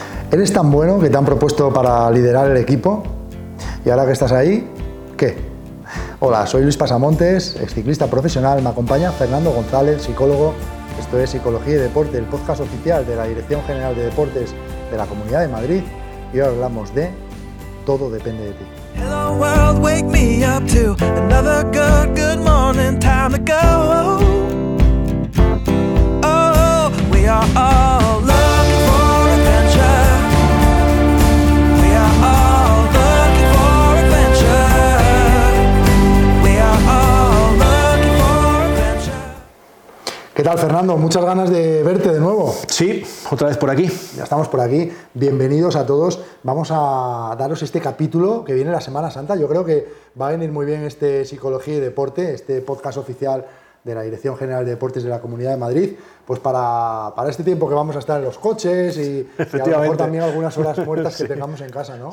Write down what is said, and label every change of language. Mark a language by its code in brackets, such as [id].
[es] ¿Eres tan bueno que te han propuesto para liderar el equipo? Y ahora que estás ahí, ¿qué? Hola, soy Luis Pasamontes, exciclista profesional. Me acompaña Fernando González, psicólogo. Esto es Psicología y Deporte, el podcast oficial de la Dirección General de Deportes de la Comunidad de Madrid. Y hoy hablamos de Todo depende de ti. [en] Hello world, wake me up to another good, good morning, time to go. Oh, we are all looking for adventure. We are all looking for adventure. We are all looking for adventure. [es] ¿Qué tal, Fernando? Muchas ganas de verte de nuevo. Sí, otra vez por aquí. Ya estamos por aquí. Bienvenidos a todos. Vamos a daros este capítulo que viene la Semana Santa. Yo creo que va a venir muy bien este Psicología y Deporte, este podcast oficial de la Dirección General de Deportes de la Comunidad de Madrid, pues para este tiempo que vamos a estar en los coches y a lo mejor también algunas horas muertas que tengamos en casa, ¿no?